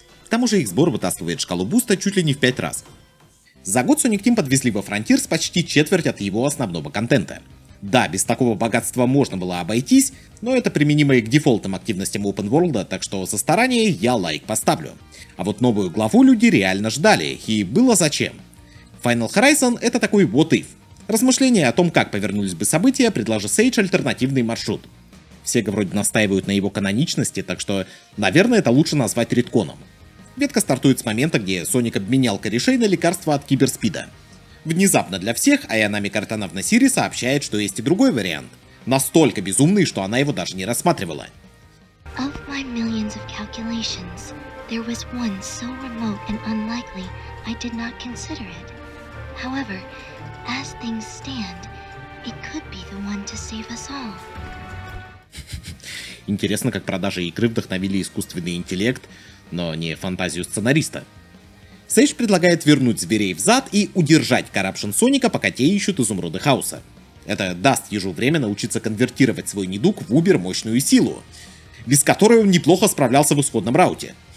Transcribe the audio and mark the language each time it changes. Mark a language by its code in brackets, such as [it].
[ru] К тому же их сбор вытаскивает шкалу буста чуть ли не в 5 раз. За год Sonic Team подвезли во Frontiers почти четверть от его основного контента. Да, без такого богатства можно было обойтись, но это применимо и к дефолтным активностям Open World, так что со старания я лайк поставлю. А вот новую главу люди реально ждали, и было зачем. Final Horizon — это такой [en] what if. [ru] Размышления о том, как повернулись бы события, предложит Sage альтернативный маршрут. Все вроде настаивают на его каноничности, так что, наверное, это лучше назвать ретконом. Ветка стартует с момента, где Соник обменял корешей на лекарство от киберспида. Внезапно для всех Аянами Картановна Сири сообщает, что есть и другой вариант. Настолько безумный, что она его даже не рассматривала. [en] Of my millions of calculations, there was one so remote and unlikely, I did not consider it. However, as things stand, it could be the one to save us all. [ru] Интересно, как продажи игры вдохновили искусственный интеллект, но не фантазию сценариста. Сэш предлагает вернуть зверей в зад и удержать Corruption Соника, пока те ищут изумруды хаоса. Это даст ежу время научиться конвертировать свой недуг в убер-мощную силу, без которой он неплохо справлялся в исходном рауте.